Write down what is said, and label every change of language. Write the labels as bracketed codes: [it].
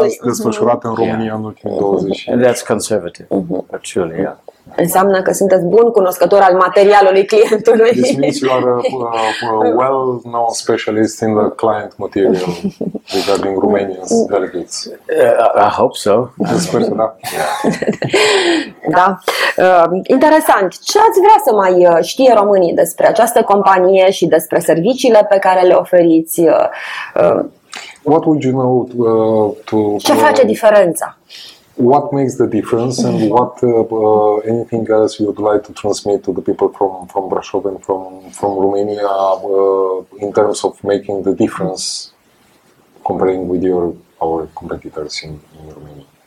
[ro] desfășurate în România în ultimii 20. [en] And that's conservative, actually, yeah. [ro] Înseamnă că sunteți bun cunoscător al materialului clientului. [en] This means you are a well-known specialist in the client material regarding Romanians delegates. I hope so. [ro] Sper să da. Da. Interesant. Ce ați vrea să mai știe românii despre această companie și despre serviciile pe care le oferiți? [en] What would you know to... [ro] Ce face diferența? [en] What makes the difference, and what anything else you would like to transmit to the people from Brasov and from Romania in terms of making the difference comparing with our competitors in Romania?